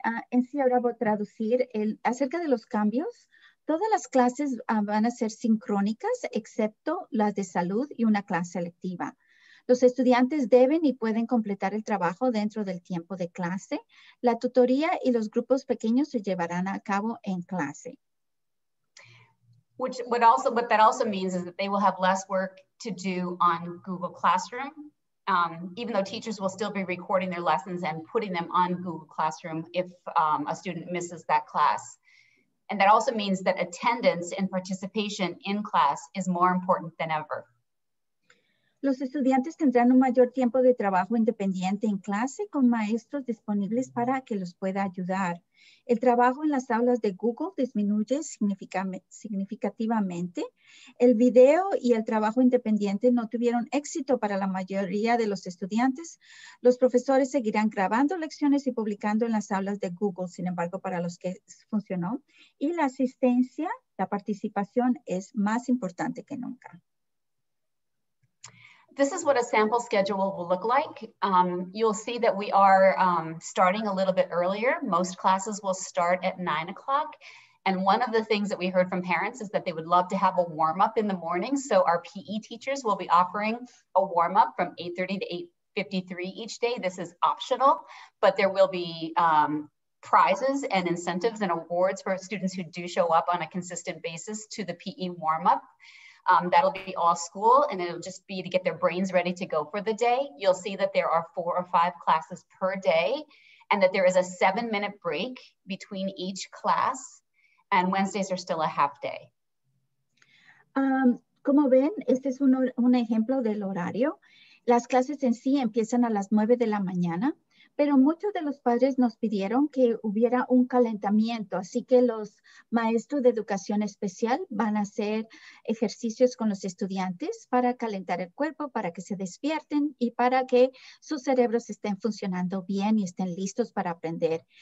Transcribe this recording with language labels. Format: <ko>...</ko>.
<es>En sí, ahora voy a traducir acerca de los cambios. Todas las clases van a ser sincrónicas, excepto las de salud y una clase electiva. Los estudiantes deben y pueden completar el trabajo dentro del tiempo de clase. La tutoría y los grupos pequeños se llevarán a cabo en clase.</es> <en>Which would also, what that also means is that they will have less work to do on Google Classroom, even though teachers will still be recording their lessons and putting them on Google Classroom if a student misses that class. And that also means that attendance and participation in class is more important than ever.</en> <es>Los estudiantes tendrán un mayor tiempo de trabajo independiente en clase con maestros disponibles para que los pueda ayudar. El trabajo en las aulas de Google disminuye significativamente. El video y el trabajo independiente no tuvieron éxito para la mayoría de los estudiantes. Los profesores seguirán grabando lecciones y publicando en las aulas de Google, sin embargo, para los que funcionó. Y la asistencia, la participación es más importante que nunca.</es> <en>This is what a sample schedule will look like. You'll see that we are starting a little bit earlier. Most classes will start at 9 o'clock. And one of the things that we heard from parents is that they would love to have a warm-up in the morning. So our PE teachers will be offering a warm-up from 8:30 to 8:53 each day. This is optional, but there will be prizes and incentives and awards for students who do show up on a consistent basis to the PE warm-up. That'll be all school, and it'll just be to get their brains ready to go for the day. You'll see that there are 4 or 5 classes per day, and that there is a 7-minute break between each class, and Wednesdays are still a half day.</en> <es>Como ven, este es un ejemplo del horario. Las clases en sí empiezan a las 9 de la mañana, pero muchos de los padres nos pidieron que hubiera un calentamiento, así que los maestros de educación especial van a hacer ejercicios con los estudiantes para calentar el cuerpo, para que se despierten y para que sus cerebros estén funcionando bien y estén listos para aprender.</es>